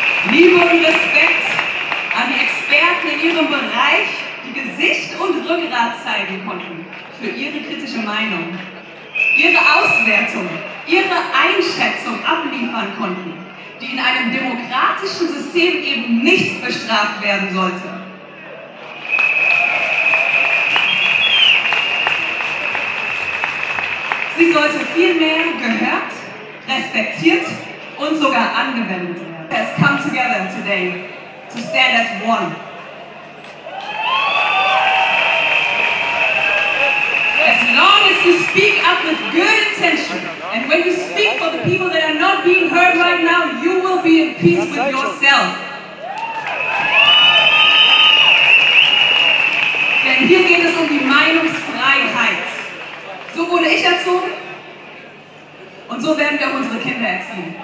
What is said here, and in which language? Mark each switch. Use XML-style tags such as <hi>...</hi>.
<de>Liebe und Respekt an die Experten in ihrem Bereich, die Gesicht und Rückgrat zeigen konnten für ihre kritische Meinung, ihre Auswertung, ihre Einschätzung abliefern konnten, die in einem demokratischen System eben nicht bestraft werden sollte. Sie sollte vielmehr gehört, respektiert und sogar angewendet werden.</de> <en>Has come together today to stand as one. As long as you speak up with good intention, and when you speak for the people that are not being heard right now, you will be in peace with yourself.</en> <de>Denn hier geht es um die Meinungsfreiheit. So wurde ich erzogen, und so werden wir auch unsere Kinder erziehen.</de>